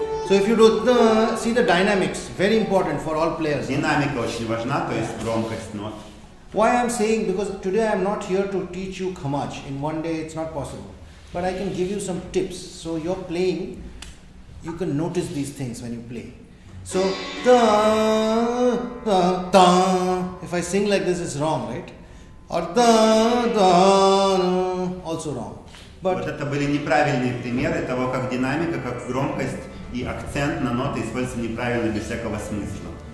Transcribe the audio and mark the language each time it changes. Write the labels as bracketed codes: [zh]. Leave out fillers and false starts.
[en] So if you do the, see the dynamics, very important for all players. [ru] Динамика очень важна, то есть громкость нот. [en] Why I'm saying, because today I'm not here to teach you Khammaj. In one day it's not possible. But I can give you some tips. So you're playing, you can notice these things when you play. So, ta, ta, ta. If I sing like this, it's wrong, right? Or ta, ta, also wrong. But [ru] вот это были неправильные примеры того, как динамика, как громкость и акцент на ноты используются неправильно без всякого смысла.